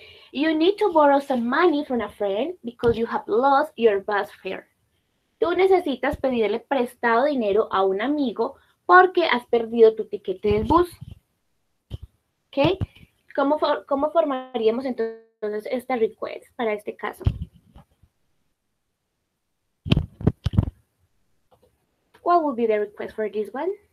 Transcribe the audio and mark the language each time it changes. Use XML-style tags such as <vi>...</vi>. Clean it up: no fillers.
<en>You need to borrow some money from a friend because you have lost your bus fare.</en> <es>Tú necesitas pedirle prestado dinero a un amigo porque has perdido tu tiquete del bus. Okay, ¿cómo formaríamos entonces esta request para este caso?</es> <en>What would be the request for this one?</en>